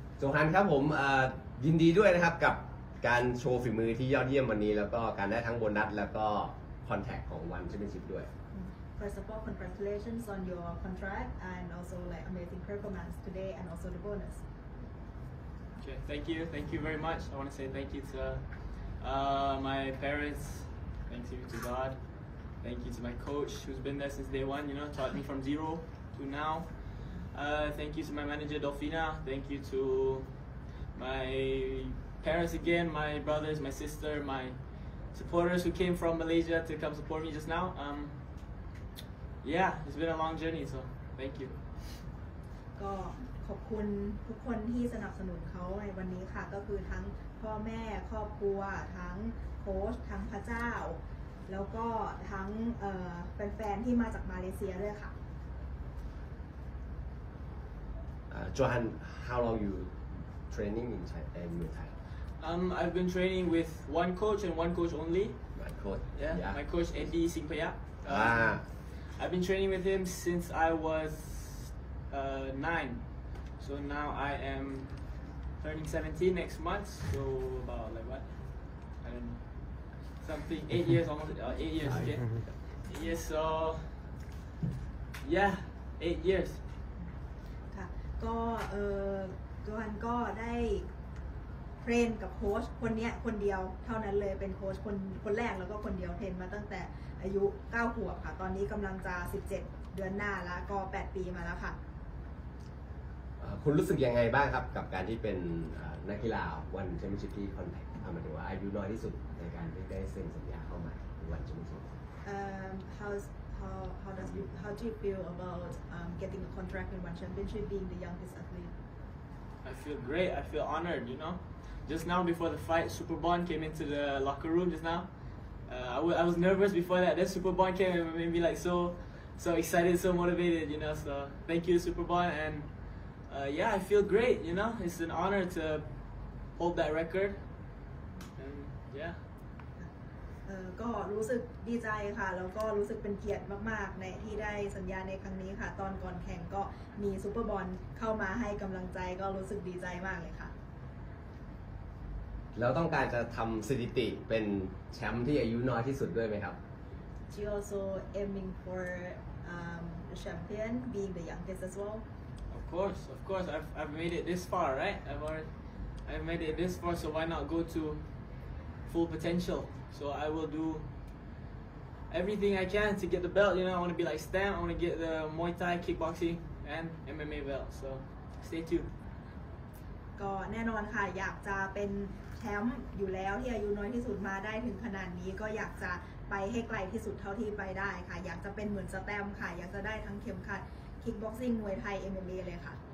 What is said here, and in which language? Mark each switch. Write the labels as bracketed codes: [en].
[th] สงครามครับผมยินดีด้วยนะครับกับการโชว์ฝีมือที่ยอดเยี่ยมวันนี้แล้วก็การได้ทั้งโบนัสแล้วก็คอนแทคของวันแชมเปี้ยนชิพด้วย [en] First of all, congratulations on your contract and also like amazing performance today and also the bonus. Okay, thank you very much. I want to say thank you to my parents, thank you to God, thank you to my coach who's been there since day one, you know, taught me from zero to now. Thank you to my manager Dolphina. Thank you to my parents again, my brothers, my sister, my supporters who came from Malaysia to come support me just now. Yeah, it's been a long journey, so thank you. [th] ก็ขอบคุณทุกคนที่สนับสนุนเขาในวันนี้ค่ะก็คือทั้งพ่อแม่ครอบครัวทั้งโค้ชทั้งพระเจ้าแล้วก็ทั้งแฟนๆที่มาจากมาเลเซียด้วยค่ะ [en] Johan, how long you training in Muay Thai? I've been training with one coach and one coach only. My coach. Yeah. My coach Andy Singpaya. I've been training with him since I was 9. So now I am turning 17 next month. So about like what? I don't know. Something 8 years almost. 8 years. Okay. 8 years. So yeah, 8 years. [th] ก็ตัวฮันก็ได้เทรนกับโค้ชคนนี้คนเดียวเท่านั้นเลยเป็นโค้ชคนแรกแล้วก็คนเดียวเทรนมาตั้งแต่อายุ9ขวบค่ะตอนนี้กำลังจะ17เดือนหน้าแล้วก็8ปีมาแล้วค่ะ คุณรู้สึกยังไงบ้างครับกับการที่เป็นนักกีฬาวันแชมเปี้ยนชิพที่คอนแทคทำมาถึงว่าอายุน้อยที่สุดในการได้เซ็นสัญญาเข้ามาวันแชมเปี้ยนชิพ [en] How do you feel about getting a contract in one championship, being the youngest athlete? I feel great. I feel honored. You know, just now before the fight, Super Bond came into the locker room just now. I was nervous before that. Then Super Bond came and made me like so excited, so motivated. You know, so thank you, Super Bond. And yeah, I feel great. You know, it's an honor to hold that record. And yeah. [th] ก็รู้สึกดีใจค่ะแล้วก็รู้สึกเป็นเกียรติมากๆในที่ได้สัญญาในครั้งนี้ค่ะตอนก่อนแข่งก็มีซูเปอร์บอลเข้ามาให้กำลังใจก็รู้สึกดีใจมากเลยค่ะ แล้วต้องการจะทำสถิติเป็นแชมป์ที่อายุน้อยที่สุดด้วยไหมครับ [en] She also aiming for champion being the youngest as well Of course of course I've made it this far right I've made it this far so why not go to full potentialSo I will do everything I can to get the belt. You know, I want to be like Stan. I want to get the Muay Thai, kickboxing, and MMA belt. So stay tuned. [th] ก็แน่นอนค่ะอยากจะเป็นแชมป์อยู่แล้วที่อายุน้อยที่สุดมาได้ถึงขนาดนี้ก็อยากจะไปให้ไกลที่สุดเท่าที่ไปได้ค่ะอยากจะเป็นเหมือนสแตมค่ะอยากจะได้ทั้งเข็มขัด kickboxing, Muay Thai, MMA เลยค่ะ